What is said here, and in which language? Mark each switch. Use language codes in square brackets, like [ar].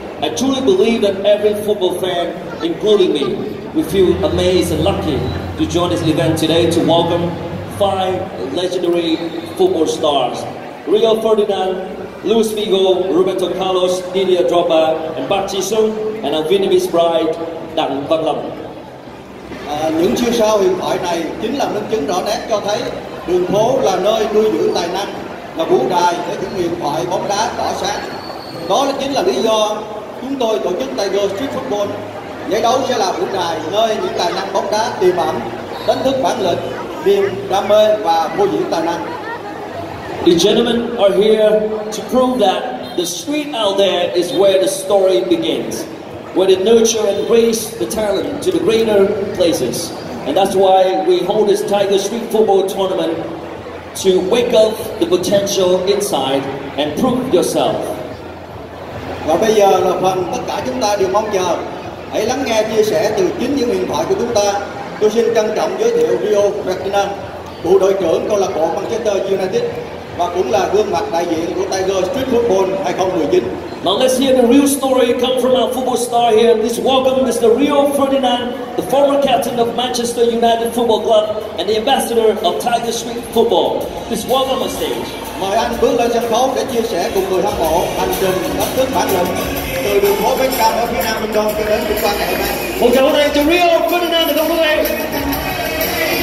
[en] I truly believe that every football fan, including me, we feel amazed and lucky to join this event today to welcome five legendary football stars: Rio Ferdinand, Luis Figo, Roberto Carlos, Didier Drogba, and Park Ji-sung, and our Vietnamese bride, Đặng Văn Lâm. [vi] Những siêu sao huyền thoại này chính là minh chứng rõ nét cho thấy đường phố là nơi nuôi dưỡng tài năng, là vũ đài để những huyền thoại bóng đá tỏa sáng. Đó chính là lý do chúng tôi tổ chức Tiger Street Football. Giải đấu sẽ là vũ đài nơi những tài năng bóng đá tiềm ẩn, đánh thức bản lĩnh, niềm đam mê và phô diễn tài năng. [en] The gentlemen are here to prove that the street out there is where the story begins, where they nurture and raise the talent to the greater places. And that's why we hold this Tiger Street Football Tournament, to wake up the potential inside and prove yourself. [vi] Và bây giờ là phần tất cả chúng ta đều mong chờ. Hãy lắng nghe chia sẻ từ chính những huyền thoại của chúng ta. Tôi xin trân trọng giới thiệu Rio Ferdinand, cựu đội trưởng câu lạc bộ Manchester United và cũng là gương mặt đại diện của Tiger Street Football 2019. [en] Now let's hear the real story come from our football star here. Please welcome Mr. Rio Ferdinand, the former captain of Manchester United Football Club and the ambassador of Tiger Street Football. Please welcome on stage. [vi] Mời anh bước lên sân khấu để chia sẻ cùng người hâm mộ hành trình đánh thức bản lĩnh từ đường phố bên cạnh ở phía Nam Bình Dương cho đến chúng ta ngày hôm nay. Một tràng pháo tay cho Rio Ferdinand, được không quý vị?